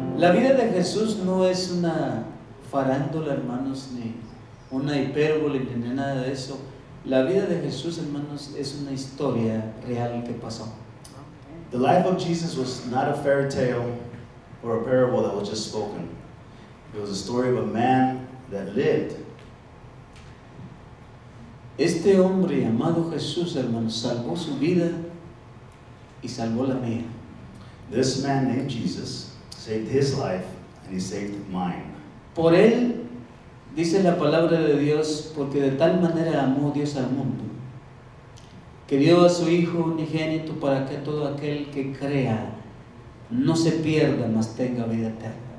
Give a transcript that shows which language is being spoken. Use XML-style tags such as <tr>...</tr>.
<es>La vida de Jesús no es una farándula, hermanos, ni una hipérbole, ni nada de eso. La vida de Jesús, hermanos, es una historia real que pasó.</es> <en>The life of Jesus was not a fairy tale or a parable that was just spoken. It was a story of a man that lived.</en> <es>Este hombre llamado Jesús, hermanos, salvó su vida y salvó la mía.</es> <en>This man named Jesus saved his life and he saved mine.</en> <es>Por él, dice la palabra de Dios, porque de tal manera amó Dios al mundo, que dio a su Hijo unigénito para que todo aquel que crea no se pierda, mas tenga vida eterna.</es>